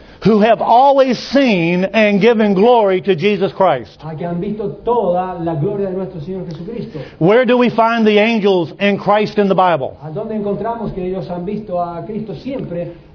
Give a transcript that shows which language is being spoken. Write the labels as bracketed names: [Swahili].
[English] who have always seen and given glory to Jesus Christ. [Spanish] Que han visto toda la gloria de nuestro Señor Jesucristo. [English] Where do we find the angels and Christ in the Bible? [Spanish] ¿A dónde encontramos que ellos han visto a Cristo siempre?